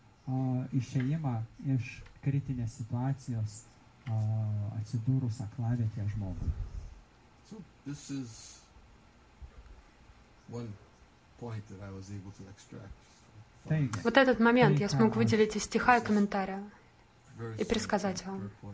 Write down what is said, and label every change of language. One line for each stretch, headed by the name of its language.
Lithuanian: Išėjimą iš kritinės situacijos atsidūrus aklavietėje žmogui.
English: So this is one point that I was able to extract.
Russian: Вот этот момент я смог выделить из стиха и комментария и пересказать вам.